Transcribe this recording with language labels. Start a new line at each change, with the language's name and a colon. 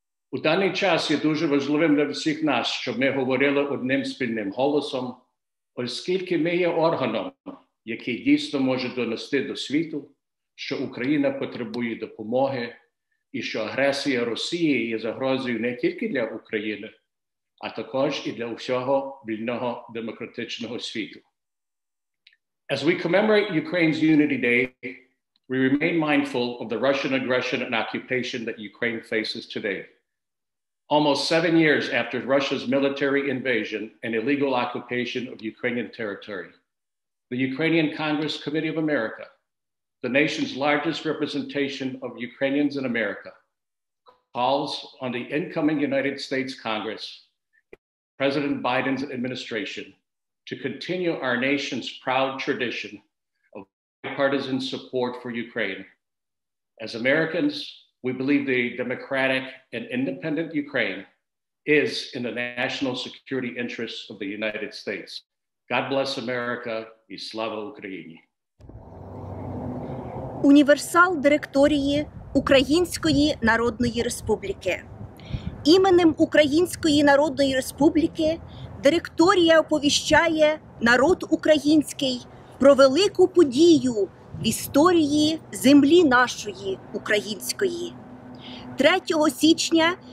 Ukrainian: У даний час є дуже важливим для всіх нас, щоб ми говорили одним спільним голосом, оскільки ми є органом, який дійсно може донести до світу, що Україна потребує допомоги і що агресія Росії є загрозою не тільки для України, а також і для всього вільного демократичного світу.
English: As we commemorate Ukraine's Unity Day, we remain mindful of the Russian aggression and occupation that Ukraine faces today. Almost 7 years after Russia's military invasion and illegal occupation of Ukrainian territory, the Ukrainian Congress Committee of America, the nation's largest representation of Ukrainians in America, calls on the incoming United States Congress, President Biden's administration, to continue our nation's proud tradition bipartisan support for Ukraine. As Americans, we believe the democratic and independent Ukraine is in the national security interests of the United States. God bless America
Ukrainian: і слава Україні. Універсал директорії Української Народної Республіки. Іменем Української Народної Республіки директорія оповіщає народ український про велику подію в історії землі нашої, української. 3 січня